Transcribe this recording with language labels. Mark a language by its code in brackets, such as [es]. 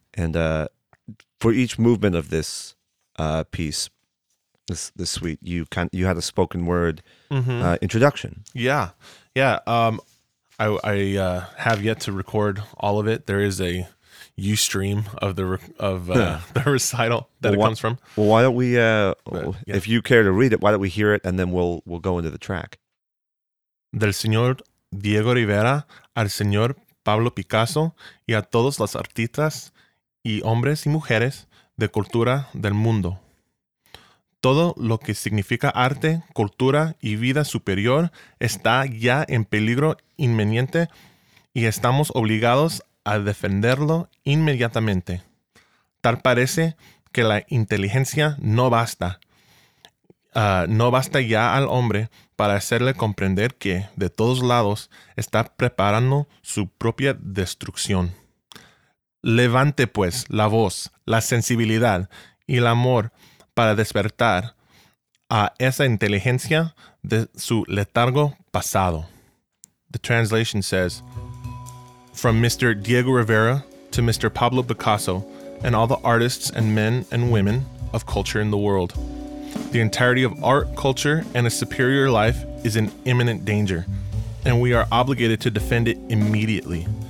[en] And for each movement of this piece, this suite, you had a spoken word introduction. Yeah. Yeah. I have yet to record all of it. There is a Ustream of the recital that it comes from. Well, why don't we if you care to read it, why don't we hear it and then we'll go into the track. [es] Del señor Diego Rivera al señor Pablo Picasso y a todos los artistas y hombres y mujeres de cultura del mundo. Todo lo que significa arte, cultura y vida superior está ya en peligro inminente y estamos obligados a defenderlo inmediatamente. Tal parece que la inteligencia no basta. No basta ya al hombre para hacerle comprender que, de todos lados, está preparando su propia destrucción. Levante, pues, la voz, la sensibilidad y el amor para despertar a esa inteligencia de su letargo pasado. [en] The translation says, from Mr. Diego Rivera to Mr. Pablo Picasso and all the artists and men and women of culture in the world. The entirety of art, culture, and a superior life is in imminent danger, and we are obligated to defend it immediately.